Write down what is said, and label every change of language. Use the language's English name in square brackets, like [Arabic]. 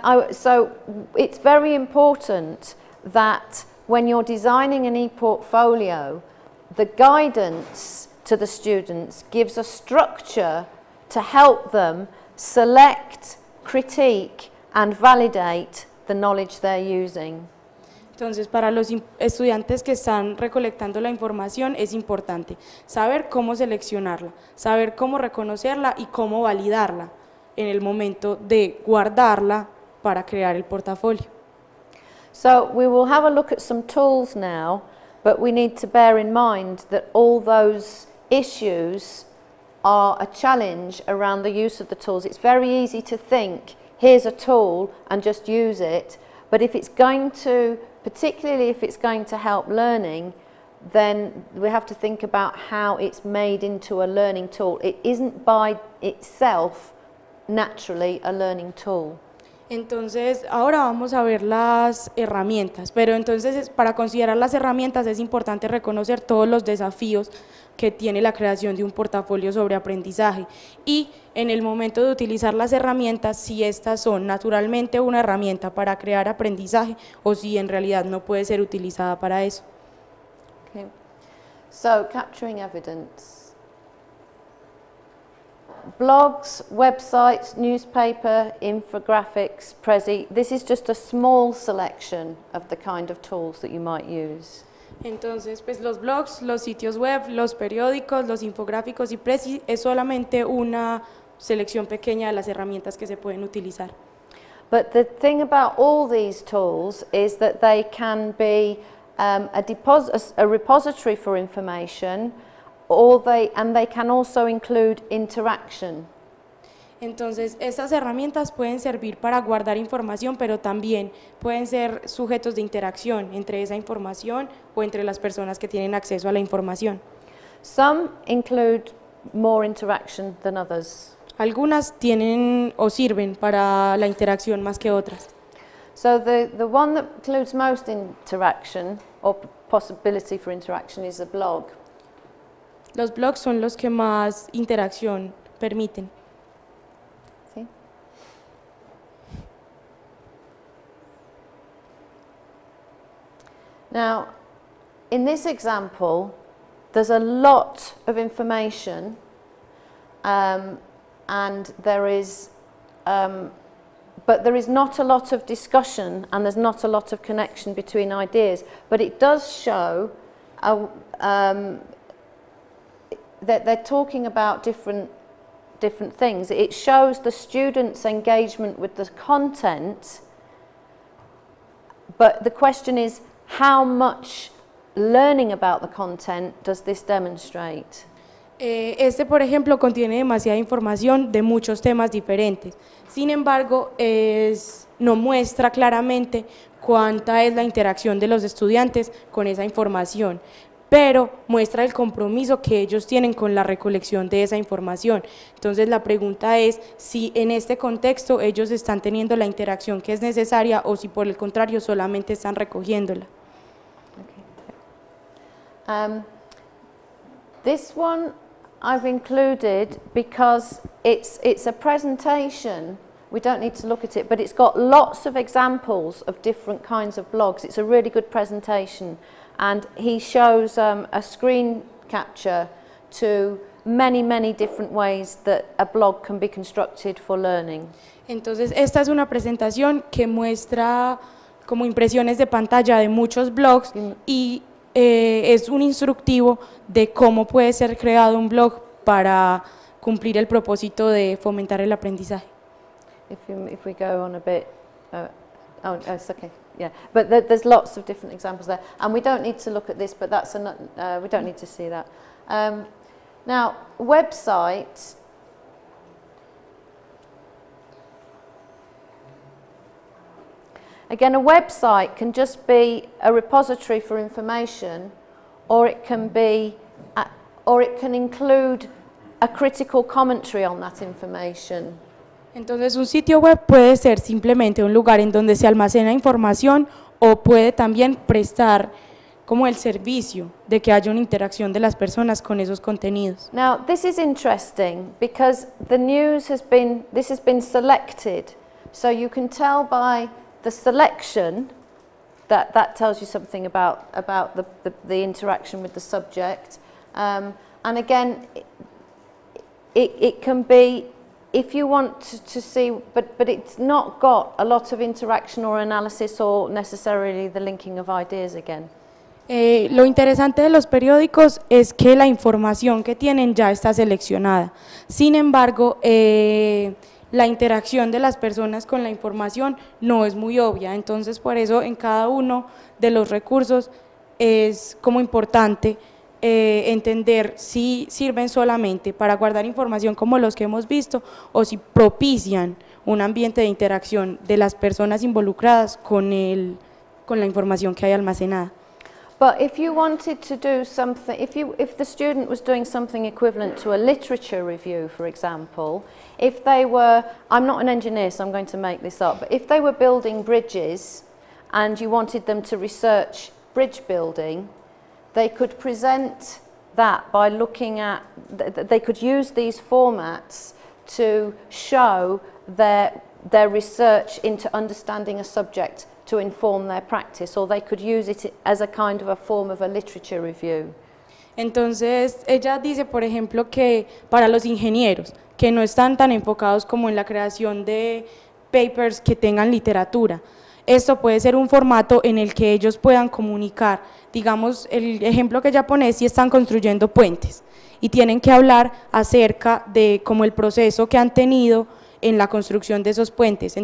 [English] So it's very important that when you're designing an e-portfolio, the guidance to the students gives a structure to help them select, critique, and validate the knowledge they're using. [Spanish] Entonces, para los estudiantes que están recolectando la información, es importante saber cómo seleccionarla, saber cómo reconocerla y cómo validarla en el momento de guardarla para crear el portafolio. [English] So we will have a look at some tools now, but we need to bear in mind that all those issues are a challenge around the use of the tools. It's very easy to think, here's a tool and just use it, but if it's going to, particularly if it's going to help learning, then we have to think about how it's made into a learning tool. It isn't by itself naturally a learning tool. [Spanish] Entonces, ahora vamos a ver las herramientas, pero entonces para considerar las herramientas es importante reconocer todos los desafíos que tiene la creación de un portafolio sobre aprendizaje y en el momento de utilizar las herramientas, si estas son naturalmente una herramienta para crear aprendizaje o si en realidad no puede ser utilizada para eso. [English] Okay. So, capturing evidence. Blogs, websites, newspaper, infographics, Prezi, this is just a small selection of the kind of tools that you might use. [Spanish] Entonces, pues los blogs, los sitios web, los periódicos, los infográficos y Prezi es solamente una selección pequeña de las herramientas que se pueden utilizar. [English] But the thing about all these tools is that they can be a repository for information, and they can also include interaction. [Spanish] Entonces, estas herramientas pueden servir para guardar información, pero también pueden ser sujetos de interacción entre esa información o entre las personas que tienen acceso a la información. [English] Some include more interaction than others. [Spanish] Algunas tienen o sirven para la interacción más que otras. [English] So the one that includes most interaction or possibility for interaction is a blog. [Spanish] Los blogs son los que más interacción permiten. ¿Sí? [English] Now, in this example, there's a lot of information, and there is, but there is not a lot of discussion, and there's not a lot of connection between ideas. But it does show that they're talking about different things. It shows the students' engagement with the content, but the question is, how much learning about the content does this demonstrate? [Spanish] Este, por ejemplo, contiene demasiada información de muchos temas diferentes. Sin embargo, no muestra claramente cuánta es la interacción de los estudiantes con esa información. pero muestra el compromiso que ellos tienen con la recolección de esa información. Entonces la pregunta es si en este contexto ellos están teniendo la interacción que es necesaria o si por el contrario solamente están recogiéndola. [English] This one I've included because it's a presentation. We don't need to look at it, but it's got lots of examples of different kinds of blogs. It's a really good presentation. And he shows a screen capture to many, many different ways that a blog can be constructed for learning. [Spanish] Entonces, esta es una presentación que muestra como impresiones de pantalla de muchos blogs y es un instructivo de cómo puede ser creado un blog para cumplir el propósito de fomentar el aprendizaje. [English] If we go on a bit, it's okay, yeah. But there's lots of different examples there. And we don't need to look at this, but that's we don't need to see that. Now, website. Again, a website can just be a repository for information, or it can be, or it can include a critical commentary on that information. [Spanish] Entonces, un sitio web puede ser simplemente un lugar en donde se almacena información o puede también prestar como el servicio de que haya una interacción de las personas con esos contenidos. [English] Now, this is interesting because the news has been, this has been selected. So you can tell by the selection that that tells you something about the interaction with the subject. And again, it can be... If you want to see, but it's not got a lot of interaction or analysis or necessarily the linking of ideas again. [Spanish] Lo interesante de los periódicos es que la información que tienen ya está seleccionada. Sin embargo, la interacción de las personas con la información no es muy obvia. Entonces, por eso en cada uno de los recursos es como importante entender si sirven solamente para guardar información como los que hemos visto o si propician un ambiente de interacción de las personas involucradas con la información que hay almacenada. [English] But if you wanted to do something, if the student was doing something equivalent to a literature review, for example, if they were, I'm not an engineer, so I'm going to make this up, but if they were building bridges and you wanted them to research bridge building, they could present that by looking at, they could use these formats to show their research into understanding a subject to inform their practice, or they could use it as a kind of a form of a literature review. [Spanish] Entonces, ella dice, por ejemplo, que para los ingenieros, que no están tan enfocados como en la creación de papers que tengan literatura, esto puede ser un formato en el que ellos puedan comunicar. Digamos, el ejemplo que ella pone es si están construyendo puentes y tienen que hablar acerca de como el proceso que han tenido en la construcción de esos puentes.